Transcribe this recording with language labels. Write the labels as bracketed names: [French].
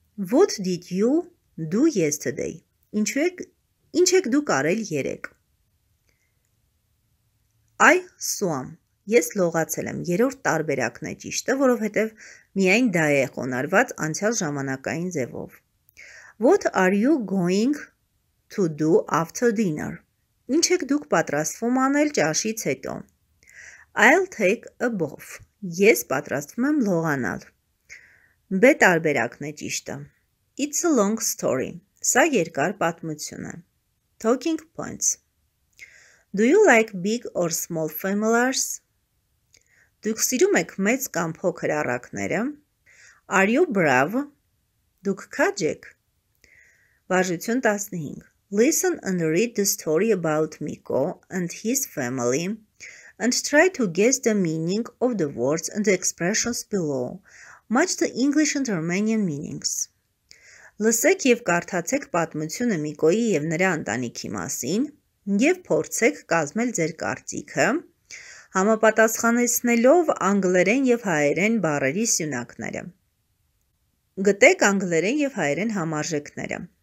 [English] What did you do yesterday? [Armenian] Ինչ եք դուք արել երեկ? [English] I swam. [Armenian] Ես լողացել եմ, երրորդ տարբերակն է ճիշտը, որովհետև միայն դա է խոնարհված անցյալ ժամանակային ձևով։ [English] What are you going to do after dinner? [Armenian] Ինչ եք դուք պատրաստվում անել ճաշից հետո? [English] I'll take a bath. [Armenian] Ես պատրաստվում եմ լողանալ։ B տարբերակն է ճիշտը։ [English] It's a long story. [Armenian] Սա երկար պատմություն է։ [English] Talking points. Do you like big or small familiars? [Armenian] Դուք սիրո՞ւմ եք մեծ կամ փոքր առակները։ [English] Are you brave? [Armenian] Դուք քաջ եք։ Վարժություն 15. [English] Listen and read the story about Miko and his family and try to guess the meaning of the words and expressions below. Match the English and Romanian meanings. [Armenian] Լսեք եւ կարդացեք պատմությունը Միկոյի եւ նրա ընտանիքի մասին։ Եվ փորձեք կազմել ձեր կարծիքը համապատասխանեցնելով անգլերեն եւ հայերեն բառերի սյունակները։ Գտեք անգլերեն եւ հայերեն համարժեքները։